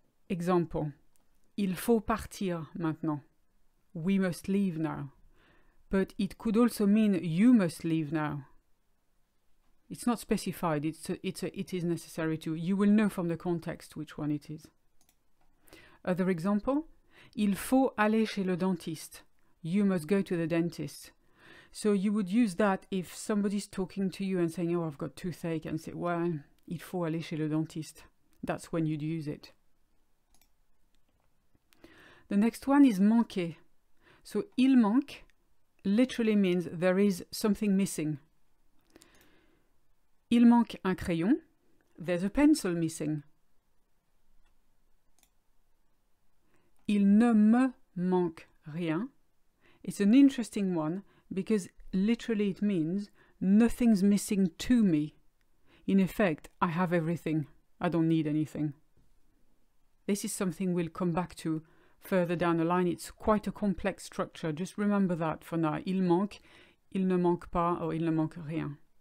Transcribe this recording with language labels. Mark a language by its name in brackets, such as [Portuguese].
[English] Example: [French] il faut partir maintenant. [English] We must leave now. But it could also mean you must leave now. It's not specified, it is necessary to. You will know from the context which one it is. Other example: [French] il faut aller chez le dentiste. [English] You must go to the dentist. So you would use that if somebody's talking to you and saying, oh, I've got toothache, and say, well, [French] il faut aller chez le dentiste. [English] That's when you'd use it. The next one is manquer. So [French] il manque [English] literally means there is something missing. [French] Il manque un crayon. [English] There's a pencil missing. [French] Il ne me manque rien. [English] It's an interesting one because literally it means nothing's missing to me. In effect, I have everything. I don't need anything. This is something we'll come back to further down the line. It's quite a complex structure. Just remember that for now. [French] Il manque, il ne manque pas, or il ne manque rien.